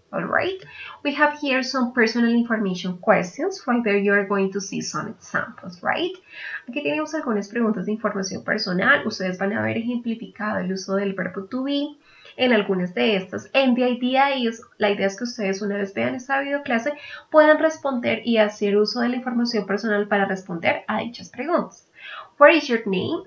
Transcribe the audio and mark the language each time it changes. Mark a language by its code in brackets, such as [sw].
[en] All right. We have here some personal information questions. Right there, you are going to see some examples, right? [es] Aquí tenemos algunas preguntas de información personal. Ustedes van a haber ejemplificado el uso del verbo to be en algunas de estas. [en] And the idea is, [es] la idea es que ustedes, una vez vean esta videoclase, puedan responder y hacer uso de la información personal para responder a dichas preguntas. [en] What is your name?